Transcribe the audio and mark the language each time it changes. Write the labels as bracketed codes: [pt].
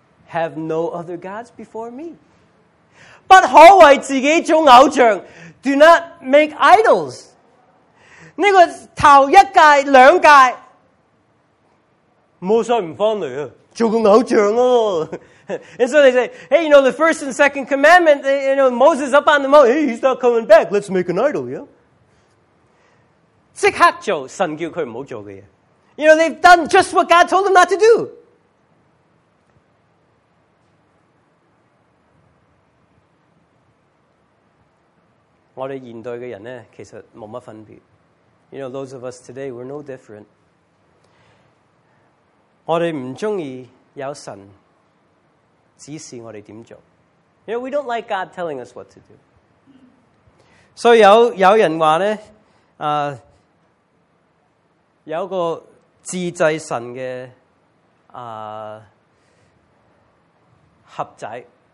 [en] Have no other gods before me. [zh] 不可为自己做偶像, [en] do not make idols. [zh] 那个头一届两届, 摩西不回来啊, 做个偶像啊。 [en] And so they say, hey, you know, the first and second commandment, you know, Moses up on the mountain, hey, he's not coming back, let's make an idol, yeah? [zh] 即刻做神叫他不要做的事。 [en] You know, they've done just what God told them not to do. [zh] 我们现代的人呢, 其实没什么分别。 [en] You know, those of us today, we're no different. [zh] 我们不喜欢有神指示我们怎么做。 [en] You know, we don't like God telling us what to do. [zh] 所以有人说呢，有个自制神的盒仔。